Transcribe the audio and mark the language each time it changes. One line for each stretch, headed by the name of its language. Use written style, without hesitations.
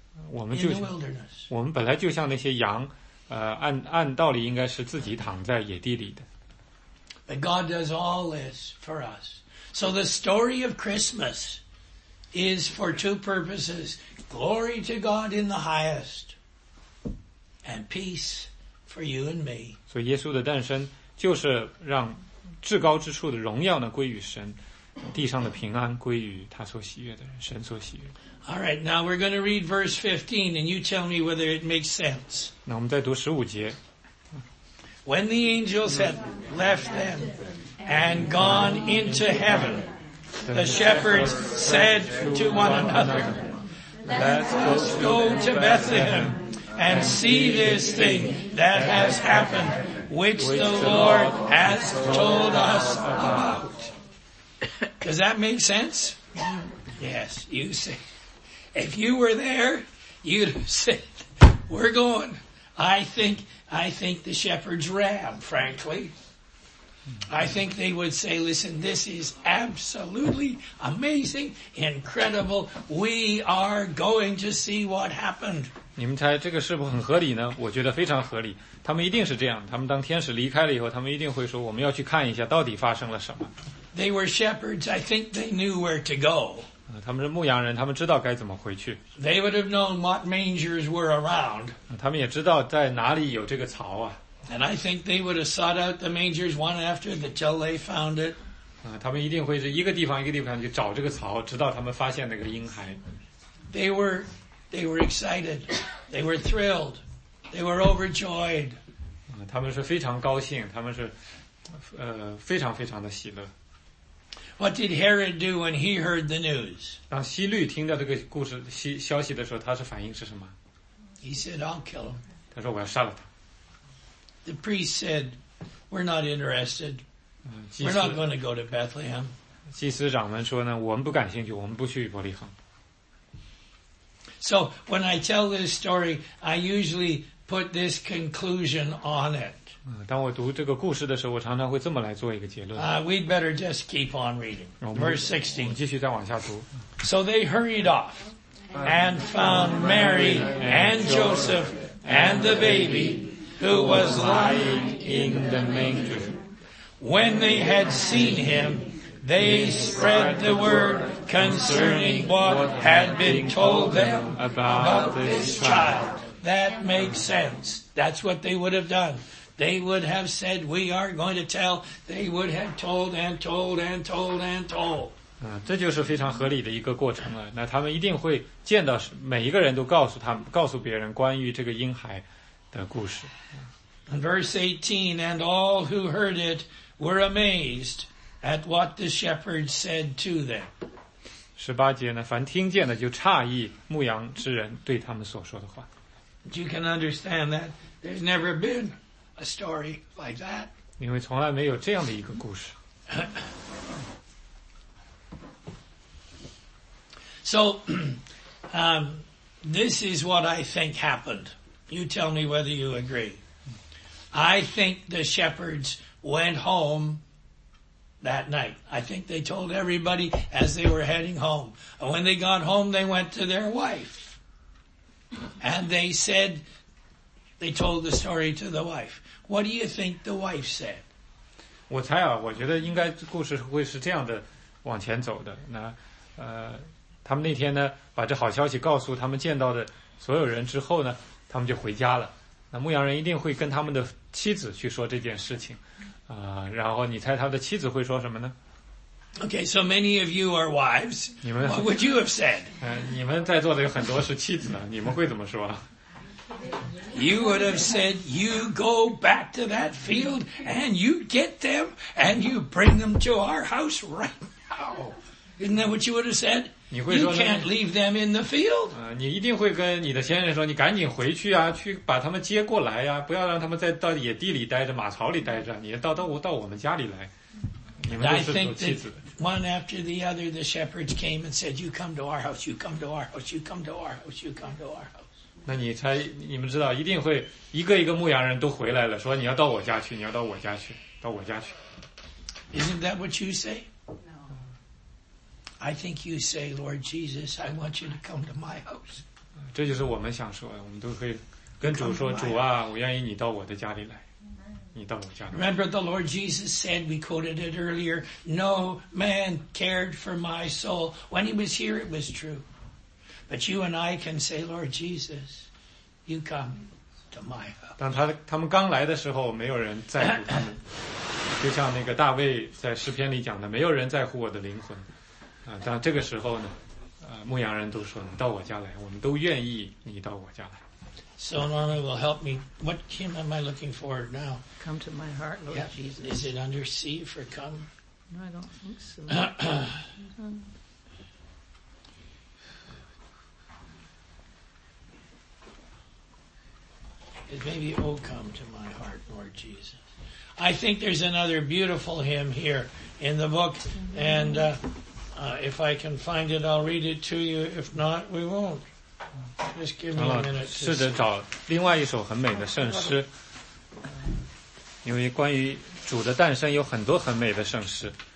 Chinese: 我们本来就像那些羊，按道理应该是自己躺在野地里的。
English: But God does all this for us. So the story of Christmas is for two purposes: glory to God in the highest, and peace for you and me.
Chinese: 所以耶稣的诞生就是让至高之处的荣耀呢归于神，地上的平安归于他所喜悦的人，神所喜悦的。
English: All right, now we're going to read verse 15, and you tell me whether it makes sense.
Chinese: 那我们再读十五节。
English: When the angels had left them and gone into heaven, the shepherds said to one another, Let's go to Bethlehem and see this thing that has happened, which the Lord has told us about. Does that make sense? Yes, you say. If you were there, you'd say, we're going. I think the shepherds ran, frankly. I think they would say, listen, this is absolutely amazing, incredible. We are going to see what happened.
Chinese: 你们猜这个是不是很合理呢？我觉得非常合理。他们一定是这样。他们当天使离开了以后，他们一定会说，我们要去看一下到底发生了什么。
English: They were shepherds. I think they knew where to go.
Chinese: 他们是牧羊人，他们知道该怎么回去。
English: They would have known what mangers were around.
Chinese: 他们也知道在哪里有这个槽啊。
English: And I think they would have sought out the mangers one after until they found it.
Chinese: 他们一定会是一个地方一个地方去找这个槽，直到他们发现那个婴孩。
English: They were excited. They were thrilled. They were overjoyed.
Chinese: 他们是非常高兴，他们是非常非常的喜乐。
English: What did Herod do when he heard the news?
Chinese: 当希律听到这个故事消息的时候，他是反应是什么？
English: He said, I'll kill him.
Chinese: 他说我要杀了他。
English: The priest said, we're not interested. We're not going to go to Bethlehem.
Chinese: 祭司长们说呢，我们不感兴趣，我们不去伯利恒。
English: So when I tell this story, I usually put this conclusion on it.
Chinese: 当我读这个故事的时候，我常常会这么来做一个结论。
English: We'd better just keep on reading. Verse 16.
Chinese: 我们继续再往下读。
English: So they hurried off and found Mary and Joseph and the baby who was lying in the manger. When they had seen him, they spread the word concerning what had been told them about this child. That makes sense. That's what they would have done. They would have said, we are going to tell. They would have told and told and told and told.
Chinese: 这就是非常合理的一个过程了。那他们一定会见到每一个人都告诉他们，告诉别人关于这个婴孩的故事。
English: Verse 18, and all who heard it were amazed at what the shepherds said to them.
Chinese: 18节呢，凡听见的就诧异牧羊之人对他们所说的话。
English: You can understand that there's never been a story like that.
Chinese: 因为从来没有这样的一个故事。
English: So, this is what I think happened. You tell me whether you agree. I think the shepherds went home that night. I think they told everybody as they were heading home. And when they got home, they went to their wife. And they said, they told the story to the wife. What do you think the wife said?
Chinese: 我猜啊，我觉得应该故事会是这样的往前走的。那他们那天呢，把这好消息告诉他们见到的所有人之后呢，他们就回家了。那牧羊人一定会跟他们的妻子去说这件事情。然后你猜他的妻子会说什么呢？
English: Okay, so many of you are wives.
Chinese: 你们
English: What would you have said?
Chinese: 你们在座的有很多是妻子呢，你们会怎么说？
English: You would have said, you go back to that field and you get them and you bring them to our house right now. Isn't that what you would have said?
Chinese: 你会说
English: You can't leave them in the field.
Chinese: 你一定会跟你的先生说，你赶紧回去啊，去把他们接过来啊，不要让他们在到野地里待着，马槽里待着，你到我们家里来。你们都是做妻子的。
English: One after the other, the shepherds came and said, you come to our house, you come to our house, you come to our house, you come to our house.
Chinese: 那你猜，你们知道一定会一个一个牧羊人都回来了，说你要到我家去，你要到我家去，到我家去。
English: Isn't that what you say? I think you say, Lord Jesus, I want you to come to my house.
Chinese: 这就是我们想说，我们都可以跟主说，主啊，我愿意你到我的家里来，你到我家里。
English: Remember the Lord Jesus said, we quoted it earlier, no man cared for my soul. When he was here, it was true. But you and I can say, Lord Jesus, you come to my house.
Chinese: 当他们刚来的时候，没有人在乎他们。就像那个大卫在诗篇里讲的，没有人在乎我的灵魂啊。但这个时候呢，牧羊人都说，你到我家来，我们都愿意你到我家来。
English: So Norma will help me. What hymn am I looking for now? Come to my heart, Lord Jesus. Is it under C for come? No, I don't think so. mm-hmm. It may be, oh, come to my heart, Lord Jesus. I think there's another beautiful hymn here in the book, mm-hmm. and if I can find it, I'll read it to you. If not, we won't. Just give me a minute.
Chinese: 试着找另外一首很美的圣诗，因为关于主的诞生有很多很美的圣诗。